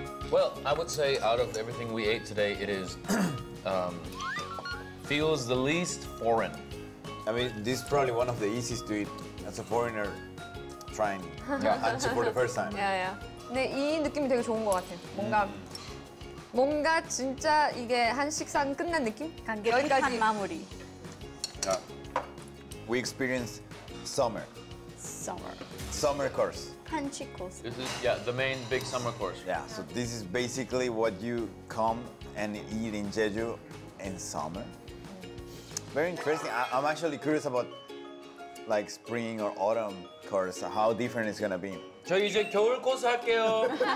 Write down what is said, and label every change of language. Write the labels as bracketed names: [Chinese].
[English] Well, I would say out of everything we ate today, it is feels the least foreign. I mean, this is probably one of the easiest to eat as a foreigner trying hancho for the first time. Yeah, yeah. [Korean] 근데 이 느낌이 되게 좋은 것 같아. 뭔가 뭔가 진짜 이게 한식상 끝난 느낌? 여기까지 마무리. [English] We experienced summer. Summer. Summer course. This is yeah the main big summer course. Yeah, so this is basically what you come and eat in Jeju in summer. Very interesting. I'm actually curious about like spring or autumn course. How different it's gonna be. [Korean] 저 이제 겨울 코스 할게요.